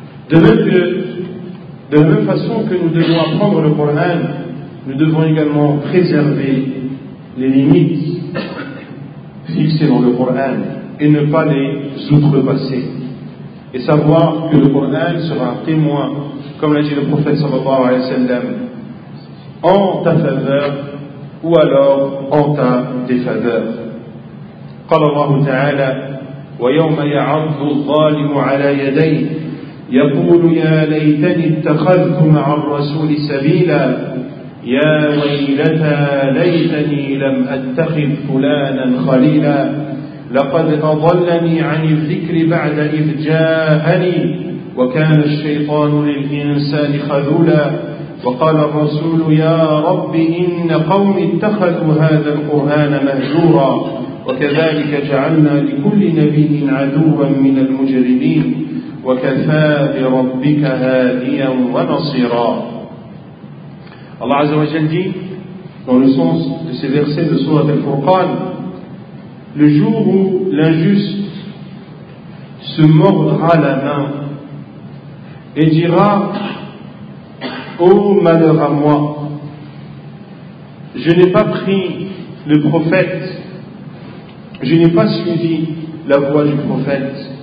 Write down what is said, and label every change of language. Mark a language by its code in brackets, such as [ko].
[fr] De la même façon que nous devons apprendre le Coran, nous devons également préserver les limites fixées dans le Coran et ne pas les outrepasser. Et savoir que le Coran sera témoin, comme l'a dit le prophète sallallahu alayhi wa sallam, en ta faveur ou alors en ta défaveur. [ar] قال الله تعالى ويوم يعض الظالم على يديه يقول يا ليتني اتخذت مع الرسول سبيلا يا ويلتى ليتني لم اتخذ فلانا خليلا لقد اضلني عن الذكر بعد اذ جاءني وكان الشيطان للانسان خذولا وقال الرسول يا رب ان قومي اتخذوا هذا القران مهجورا وكذلك جعلنا لكل نبي عدوا من المجرمين وكفى بربك هاديا ونصيرا. الله عز وجل [fr] dit dans le sens de ces versets de sourate al-Furqan, le jour où l'injuste se mordra la main et dira: ô malheur à moi, je n'ai pas pris le prophète, je n'ai pas suivi la voie du prophète.